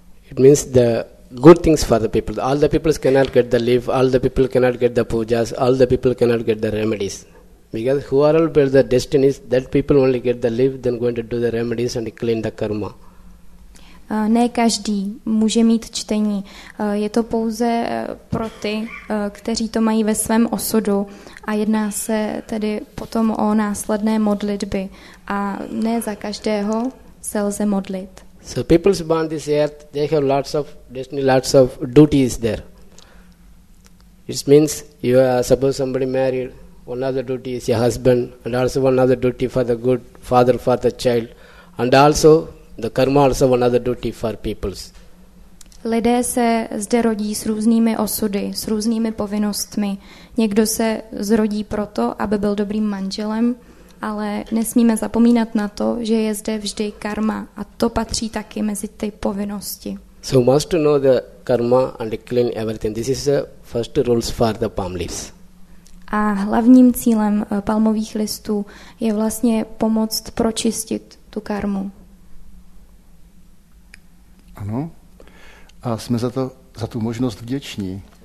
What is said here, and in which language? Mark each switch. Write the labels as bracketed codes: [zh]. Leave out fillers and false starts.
[en] It means the good things for the people. All the people cannot get the leave, all the people cannot get the pujas, all the people cannot get the remedies. Because who are all built the destinies, that people only get the leave, then going to do the remedies and clean the karma. [cs] Ne každý může mít čtení. Je to pouze pro ty, kteří to mají ve svém osudu a jedná se tedy potom o následné modlitby. A ne za každého se lze modlit. [en] So people on this earth, they have lots of destiny, lots of duties there. It means you are suppose somebody married, one other duty is your husband, and also one other duty for the good father for the child, and also the karma also one other duty for peoples. [cs] Lidé se zde rodí s různými osudy, s různými povinnostmi. Někdo se zrodí proto, aby byl dobrým manželem, ale nesmíme zapomínat na to, že je zde vždy karma a to patří taky mezi ty povinnosti. [en] So must know the karma and clean everything. This is the first rules for the palm leaves. [cs] A hlavním cílem palmových listů je vlastně pomoct pročistit tu karmu. Ano. A jsme za to, za tu možnost vděční.